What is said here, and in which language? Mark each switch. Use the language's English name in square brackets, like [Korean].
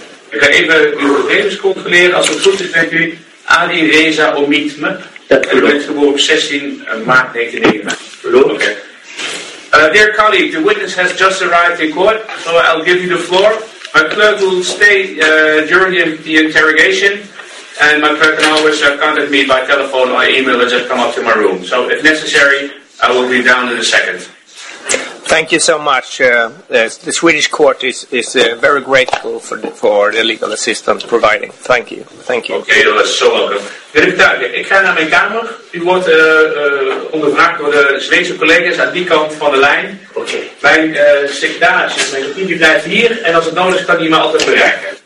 [Dutch] Ik ga even uw gegevens controleren. Als het goed is met u, Ali Reza Omitme. Dat klopt. U bent geboren op 16 maart 1999. Klopt. [English] Okay. Dear colleague, the witness has just arrived in court, so I'll give you the floor. My clerk will stay during the interrogation, and my clerk can always contact me by telephone or email and just come up to my room. So if necessary, I will be down in a second. Thank you so much. The Swedish court is very grateful for the legal assistance providing. Thank you. Thank you. [Dutch] Okay, [English] you're so welcome. [Dutch] Ik ga naar mijn kamer. U wordt ondervraagd door de Zweedse collega's aan die kant van de lijn. [English] Okay. [Dutch] Mijn secretaris, mijn vriend, blijft hier. En als het nodig is, kan hij me altijd bereiken.